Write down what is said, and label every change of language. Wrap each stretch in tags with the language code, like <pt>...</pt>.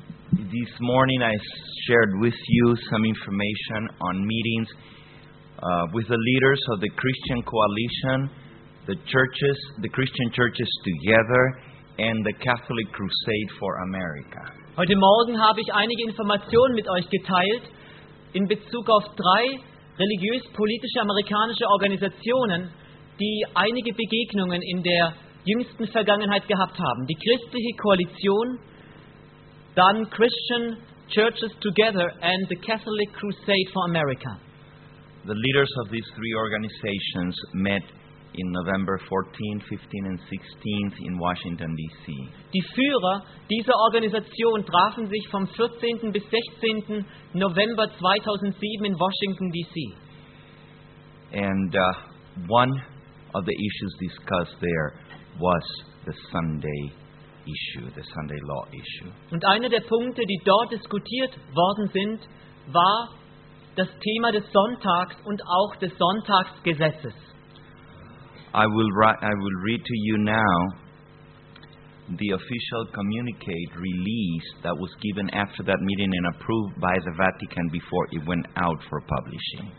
<en>This morning I shared with you some information on meetings with the leaders of the Christian Coalition, the churches, the Christian churches together, and the Catholic Crusade for America.</en> <de>Heute Morgen habe ich einige Informationen mit euch geteilt in Bezug auf drei religiös-politische amerikanische Organisationen, die einige Begegnungen in der jüngsten Vergangenheit gehabt haben. Die christliche Koalition, dann</de> <en>Christian Churches Together and the Catholic Crusade for America. The leaders of these three organizations met in November 14, 15 and 16 in Washington D.C.</en> <de>Die Führer dieser Organisation trafen sich vom 14. bis 16. November 2007 in Washington D.C.</de> <en>And one of the issues discussed there was the Sunday issue, the Sunday law issue.</en> <de>Und einer der Punkte, die dort diskutiert worden sind, war das Thema des Sonntags und auch des Sonntagsgesetzes.</de> <en>I will read to you now the official communique release that was given after that meeting and approved by the Vatican before it went out for publishing.</en>